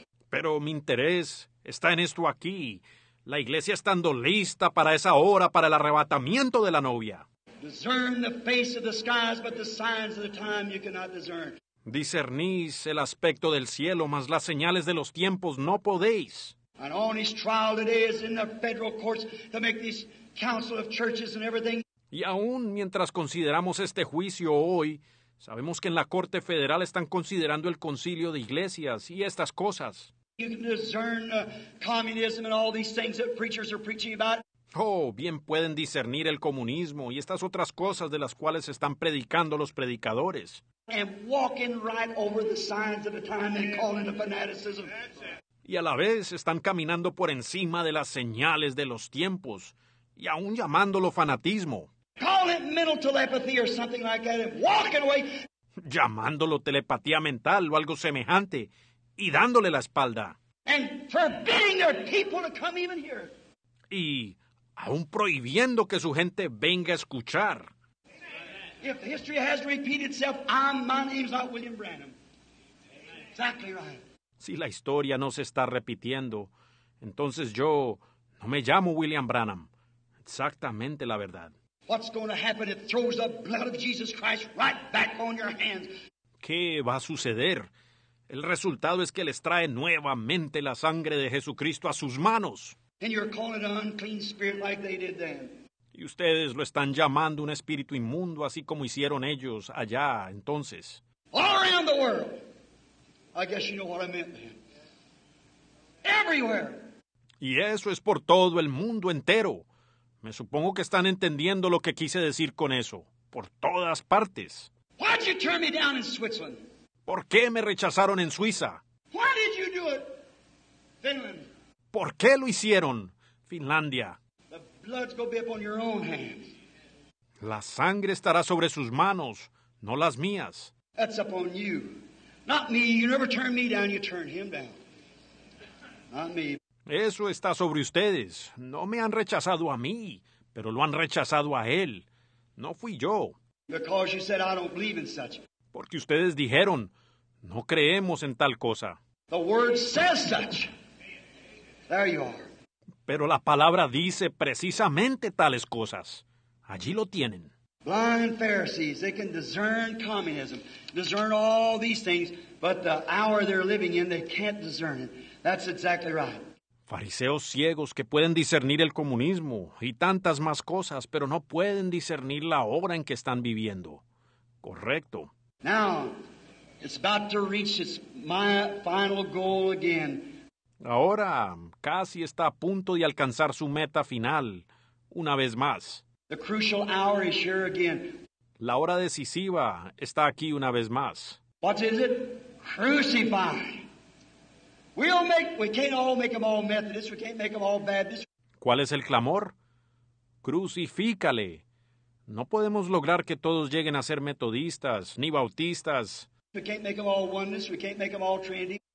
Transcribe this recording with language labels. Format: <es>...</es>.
<es>Pero mi interés está en esto aquí, la iglesia estando lista para esa hora, para el arrebatamiento de la novia.</es> <en>Discern the face of the skies, but the signs of the time you cannot discern.</en> <es>Discernís el aspecto del cielo, mas las señales de los tiempos no podéis.</es> <en>An honest trial today is in the federal courts to make these council of churches and everything.</en> <es>Y aún mientras consideramos este juicio hoy, sabemos que en la Corte Federal están considerando el Concilio de Iglesias y estas cosas.</es> <en>You can discern communism and all these things that preachers are preaching about.</en> <es>Oh, bien pueden discernir el comunismo y estas otras cosas de las cuales están predicando los predicadores.</es> <en>And walking right over the signs of the time and calling it fanaticism.</en> <es>Y a la vez están caminando por encima de las señales de los tiempos y aún llamándolo fanatismo.</es> <en>Call it mental telepathy or something like that and walking away.</en> <es>Llamándolo telepatía mental o algo semejante y dándole la espalda.</es> <en>And forbidding their people to come even here.</en> <es>Y aún prohibiendo que su gente venga a escuchar.</es> <en>If history has to repeat itself, my name's not William Branham. Exactly right.</en> <es>Si la historia no se está repitiendo, entonces yo no me llamo William Branham. Exactamente la verdad.</es> <en>What's going to happen? It throws the blood of Jesus Christ right back on your hands.</en> <es>¿Qué va a suceder? El resultado es que les trae nuevamente la sangre de Jesucristo a sus manos.</es> <en>And you're calling an unclean spirit like they did then.</en> <es>Y ustedes lo están llamando un espíritu inmundo, así como hicieron ellos allá entonces.</es> <en>All around the world. I guess you know what I meant then. Everywhere.</en> <es>Y eso es por todo el mundo entero. Me supongo que están entendiendo lo que quise decir con eso. Por todas partes.</es> <en>Why'd you turn me down in Switzerland?</en> <es>¿Por qué me rechazaron en Suiza?</es> <en>Why did you do it? Finland.</en> <es>¿Por qué lo hicieron? Finlandia.</es> <en>The blood's gonna be up on your own hands.</en> <es>La sangre estará sobre sus manos, no las mías.</es> <en>That's up on you. Not me. You never turn me down, you turn him down. Not me.</en> <es>Eso está sobre ustedes. No me han rechazado a mí, pero lo han rechazado a él. No fui yo.</es> <en>Because you said, I don't believe in such.</en> <es>Porque ustedes dijeron, no creemos en tal cosa.</es> <en>The word says such. There you are.</en> <es>Pero la palabra dice precisamente tales cosas. Allí lo tienen.</es> <en>Blind Pharisees, they can discern communism, discern all these things, but the hour they're living in, they can't discern it. That's exactly right.</en> <es>Fariseos ciegos que pueden discernir el comunismo y tantas más cosas, pero no pueden discernir la hora en que están viviendo. Correcto.</es> <en>Now, it's about to reach its final goal again.</en> <es>Ahora, casi está a punto de alcanzar su meta final, una vez más.</es> <en>The crucial hour is here again.</en> <es>La hora decisiva está aquí una vez más.</es> <en>What is it? Crucify. We can't all make them all Methodists. We can't make them all Baptists.</en> <es>¿Cuál es el clamor? Crucifícale. No podemos lograr que todos lleguen a ser metodistas, ni bautistas.</es> <en>We can't make them all oneness. We can't make them all Trinity.</en>